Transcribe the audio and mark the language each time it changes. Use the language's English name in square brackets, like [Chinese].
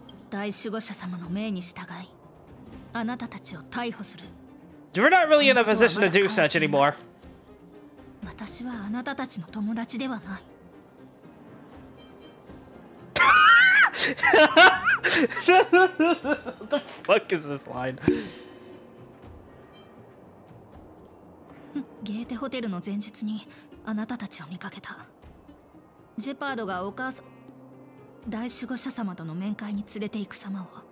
[Japanese] 大守護者様の命に従い、あなたたちを逮捕する。 [English] You're not really in a position to do such anymore. [Japanese] 私はあなたたちの友達ではない。 [English] What the fuck is this line? [Japanese] ゲーテホテルの前日にあなたたちを見かけた。ジェパードがお母さん、大守護者様との面会に連れて行く様を。